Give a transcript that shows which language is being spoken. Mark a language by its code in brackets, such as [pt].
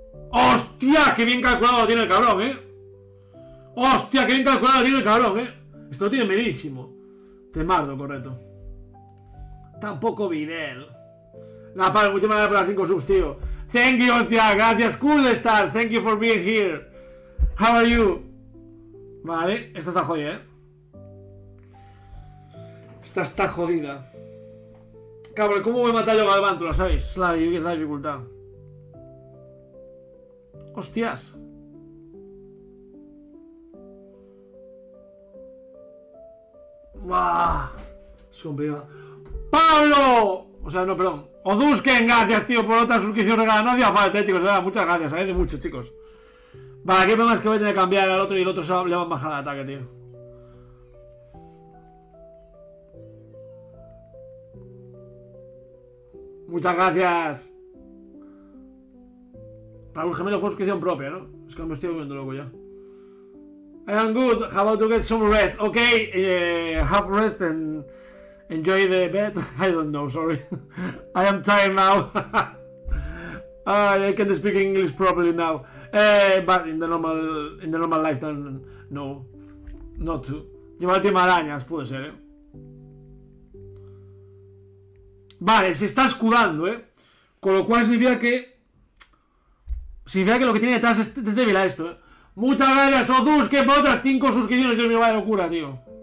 [es] ¡Hostia! ¡Qué bien calculado tiene el cabrón, eh! ¡Hostia! ¡Qué bien calculado tiene el cabrón, eh! Esto lo tiene medísimo. Temardo, correcto. Tampoco Videl. La paga, muchísimas gracias por las 5 subs, tío. [en] Thank you, [es] hostia, gracias. [en] Cool star, thank you for being here. How are you? [es] Vale, esta está jodida, eh. Esta está jodida. Cabrón, ¿cómo voy a matar yo a Galvántula, sabéis? Es la dificultad. Hostias. ¡Buah! Es complicado. ¡Pablo! O sea, no, perdón. ¡Odusken! Gracias, tío, por otra suscripción regalada. No hacía falta, chicos. Nada, muchas gracias. Agradezco mucho, chicos. Vale, ¿qué problema es que voy a tener que cambiar al otro y el otro le va a bajar el ataque, tío? Muchas gracias. Raúl Gemelo, suscripción propia, ¿no? Es que me estoy volviendo loco ya. [en] I am good. How about to get some rest? Ok, have rest and enjoy the bed. I don't know, sorry. I am tired now. I can't speak English properly now. But in the normal lifetime, no. Not to. [es] Lleva el tema arañas, puede ser, ¿eh? Vale, se está escudando, ¿eh? Con lo cual significa que... significa que lo que tiene detrás es débil a esto, ¿eh? ¡Muchas gracias, Odus! ¡Qué botas! 5 suscripciones, Dios mío, vaya locura, tío.